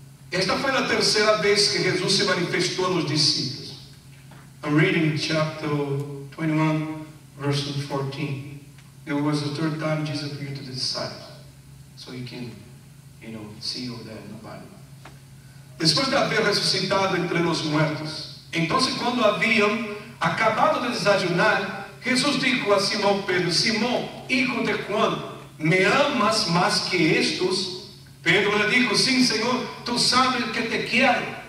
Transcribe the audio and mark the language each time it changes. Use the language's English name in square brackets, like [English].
[Portuguese] Esta foi a terceira vez que Jesus se manifestou aos discípulos. [English] I'm reading chapter 21, verse 14. It was the third time Jesus appeared to the disciples. So you can, you know, see you there in the Bible. [Portuguese] Depois de haver ressuscitado entre os mortos, então, quando haviam acabado de desajunar, Jesus disse a Simão Pedro: Simão, [Spanish] hijo de Juan, [Portuguese] me amas mais que estes? Pedro lhe disse: Sim, Senhor, tu sabes que te quero.